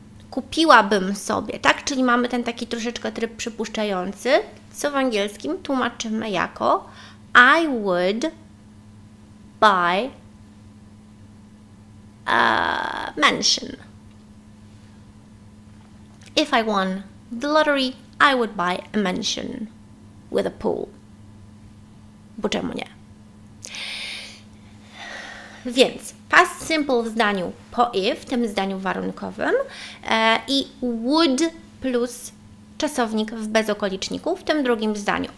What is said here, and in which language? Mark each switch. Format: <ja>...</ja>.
<pl>Kupiłabym sobie, tak? Czyli mamy ten taki troszeczkę tryb przypuszczający, co w angielskim tłumaczymy jako</pl> <en>I would buy a mansion. If I won the lottery, I would buy a mansion with a pool.</en> <pl>Bo czemu nie? Więc past simple w zdaniu po if, w tym zdaniu warunkowym i would plus czasownik w bezokoliczniku w tym drugim zdaniu.</pl>